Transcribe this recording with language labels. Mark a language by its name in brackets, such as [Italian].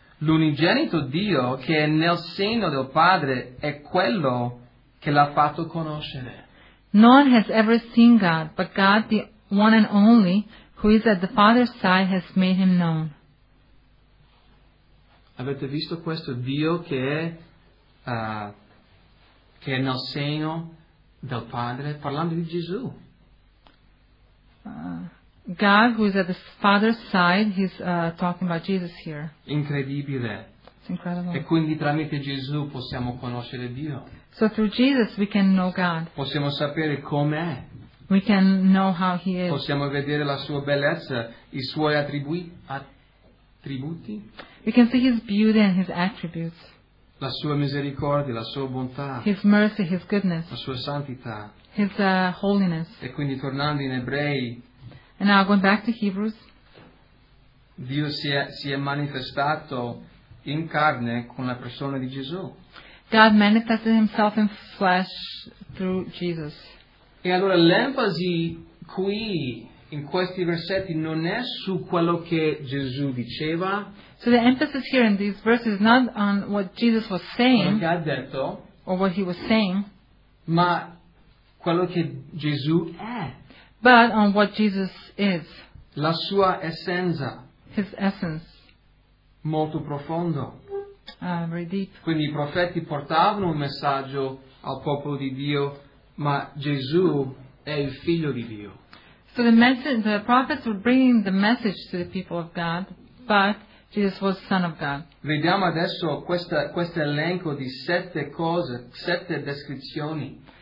[Italian] L'unigenito Dio che è nel seno del Padre è quello che l'ha fatto conoscere. [English] No one has ever seen God, but God, the one and only, who is at the Father's side, has made him known. [Italian] Avete visto questo Dio che è nel seno del Padre, parlando di Gesù. [English] God, who is at the Father's side, he's talking about Jesus here. [Italian] Incredibile. [English] It's incredible. [Italian] E quindi tramite Gesù possiamo conoscere Dio. [English] So through Jesus we can know God. [Italian] Possiamo sapere com'è. [English] We can know how he is. [Italian] Possiamo vedere la sua bellezza, i suoi attributi. [English] We can see his beauty and his attributes. [Italian] La sua misericordia, la sua bontà. [English] His mercy, his goodness. [Italian] La sua santità. [English] His holiness. [Italian] E quindi tornando in Ebrei. [English] And now going back to Hebrews. [Italian] Dio si è manifestato in carne con la persona di Gesù. [English] God manifested himself in flesh through Jesus. [Italian] E allora l'enfasi qui in questi versetti non è su quello che Gesù diceva. [English] So the emphasis here in these verses is not on what Jesus was saying. [Italian] Quello che ha detto, [English] or what he was saying. [Italian] Ma quello che Gesù è. [English] But on what Jesus is. [Italian] La sua essenza. [English] His essence. [Italian] Molto profondo. [English] Very deep. [Italian] Quindi i profeti portavano un messaggio al popolo di Dio, ma Gesù è il figlio di Dio. [English] So the prophets were bringing the message to the people of God, but Jesus was son of God. [Italian] Vediamo adesso questo elenco di sette cose, sette descrizioni.